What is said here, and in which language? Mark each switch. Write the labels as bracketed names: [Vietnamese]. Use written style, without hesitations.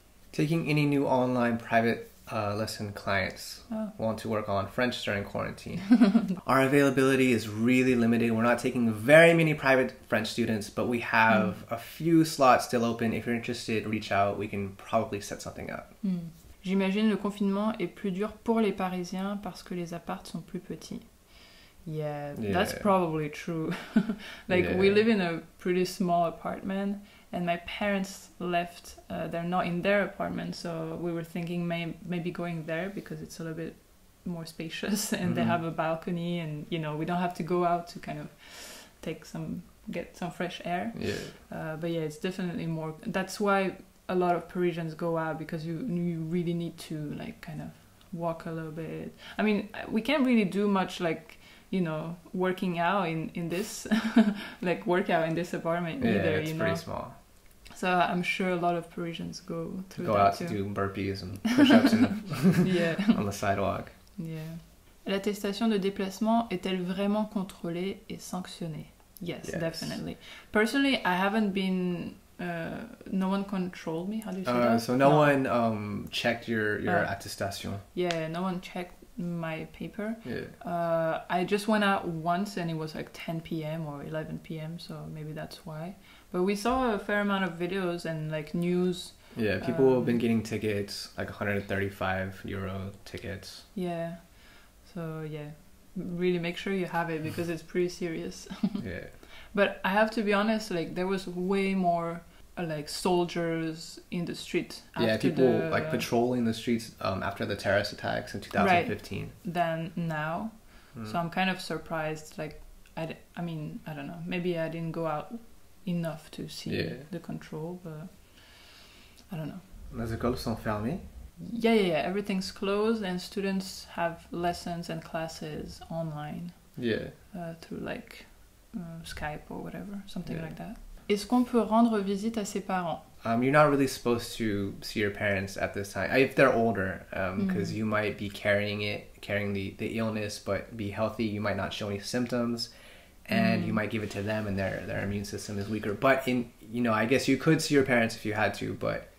[English] Taking any new online private lesson clients want to work on French during quarantine. Our availability is really limited. We're not taking very many private French students, but we have a few slots still open. If you're interested, reach out. We can probably set something up. [French] J'imagine le confinement est plus dur pour les Parisiens parce que les apparts sont plus petits. [English] Yeah, that's probably true. We live in a pretty small apartment. And my parents left, they're not in their apartment, so we were thinking maybe going there because it's a little bit more spacious and they have a balcony and, you know, we don't have to go out to kind of get some fresh air. Yeah. But yeah, it's definitely more, that's why a lot of Parisians go out because you really need to like kind of walk a little bit. I mean, we can't really do much like, you know, working out in this, like workout in this apartment either, it's pretty small. So I'm sure a lot of Parisians go to go out too. To do burpees and push-ups on the sidewalk. Yeah. [French] L'attestation de déplacement est-elle vraiment contrôlée et sanctionnée? [English] Yes, definitely. Personally, I haven't been... no one controlled me. How do you say that? So no one checked your attestation. Yeah, no one checked my paper. Yeah. I just went out once and it was like 10 p.m. or 11 p.m. So maybe that's why. But we saw a fair amount of videos and like news. Yeah, people have been getting tickets, like 135 euro tickets. Yeah. So yeah, really make sure you have it because it's pretty serious. Yeah. But I have to be honest, like there was way more like soldiers in the street. After yeah, people the, like patrolling the streets after the terrorist attacks in 2015. Right, than now. Mm. So I'm kind of surprised. Like, I mean, I don't know. Maybe I didn't go out enough to see yeah. the control, but I don't know. [French] Les écoles sont fermées? [English] Yeah, yeah, yeah. Everything's closed and students have lessons and classes online. Yeah. Through like Skype or whatever, something yeah. like that. [French] Est-ce qu'on peut rendre visite à ses parents? [English] You're not really supposed to see your parents at this time. If they're older, because mm-hmm. you might be carrying the illness, but be healthy. You might not show any symptoms, and mm-hmm. you might give it to them, and their immune system is weaker. But, I guess you could see your parents if you had to, but